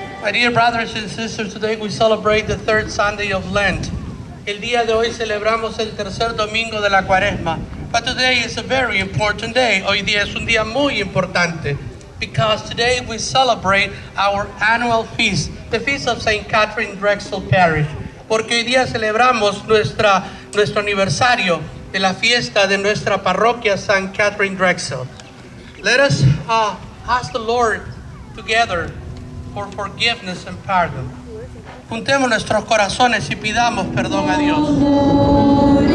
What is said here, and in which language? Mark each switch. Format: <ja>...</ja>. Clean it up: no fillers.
<en>Dear brothers and sisters, today we celebrate the third Sunday of Lent.</en> <es>El día de hoy celebramos el tercer domingo de la cuaresma.</es> <en>But today is a very important day.</en> <es>Hoy día es un día muy importante.</es> <en>Because today we celebrate our annual feast, the feast of St. Katharine Drexel Parish.</en> <es>Porque hoy día celebramos nuestro aniversario de la fiesta de nuestra parroquia, St. Katharine Drexel.</es> <en>Let us ask the Lord together for forgiveness and pardon.</en> <es>Juntemos nuestros corazones y pidamos perdón a Dios.</es>